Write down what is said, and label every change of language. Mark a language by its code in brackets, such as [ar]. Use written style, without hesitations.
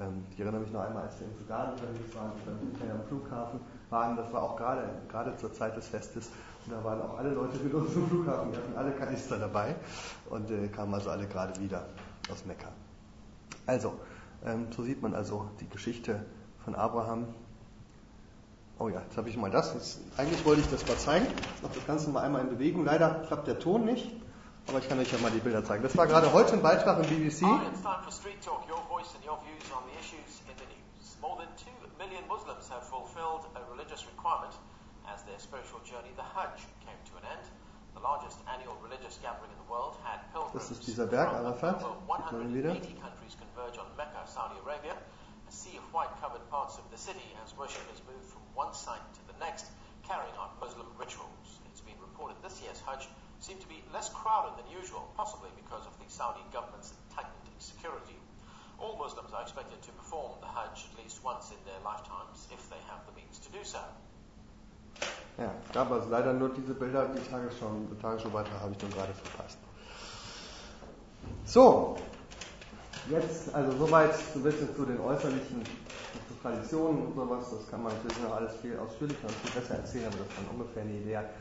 [de] Ich erinnere mich noch einmal, als wir im Sudan unterwegs waren, hinterher am Flughafen waren, das war auch gerade zur Zeit des Festes, und da waren auch alle Leute mit uns im Flughafen, wir hatten alle Kanister dabei und kamen also alle gerade wieder aus Mekka. Also, so sieht man also die Geschichte von Abraham. Oh ja, jetzt habe ich mal das. Eigentlich wollte ich das mal zeigen. Ich mache das Ganze mal einmal in Bewegung. Leider klappt der Ton nicht, aber ich kann euch ja mal die Bilder zeigen. Das war gerade heute ein Beitrag im BBC. [en] It's time for Street Talk, your voice and your views on the issues in the news. More than 2 million Muslims have fulfilled a religious requirement as their spiritual journey, the Hajj, came to an end. The largest annual religious gathering in the world had pilgrims. [de] Das ist dieser Berg, Arafat. [en] Over 180 countries converge on Mecca, Saudi Arabia. A sea of white-covered parts of the city as worshippers move from one site to the next, carrying on Muslim rituals. It's been reported this year's Hajj seemed to be less crowded than usual, possibly because of the Saudi government's tightened security. All Muslims are expected to perform the Hajj at least once in their lifetimes, if they have the means to do so. [de] Ja, es gab also leider nur diese Bilder, die Tagesschau weiter habe ich dann gerade verpasst. So, jetzt also soweit so ein bisschen zu den äußerlichen Traditionen und sowas, das kann man natürlich noch alles viel ausführlicher und viel besser erzählen, aber das war ungefähr eine Idee.